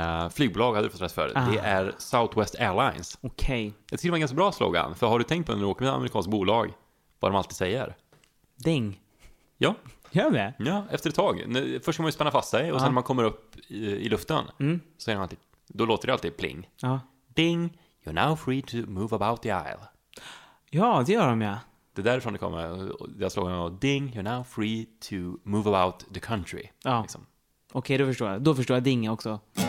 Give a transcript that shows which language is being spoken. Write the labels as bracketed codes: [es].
[sv] Flygbolag hade du fått rätt för. Ah. Det är Southwest Airlines. Okej. Okay. Det är en ganska bra slogan. För har du tänkt på när du åker med ett amerikanskt bolag? Vad de alltid säger. Ding. Ja. Gör det? Ja, efter ett tag. Först ska man ju spänna fast sig och sen när man kommer upp i luften så är det alltid, då låter det alltid pling. Ja. [en] Ding, you're now free to move about the aisle. [sv] Ja, det gör de ja. Det är därifrån det kommer. Jag slår mig [en] ding, you're now free to move about the country. [sv] Ja, liksom. Okej, då förstår jag. Då förstår jag ding också.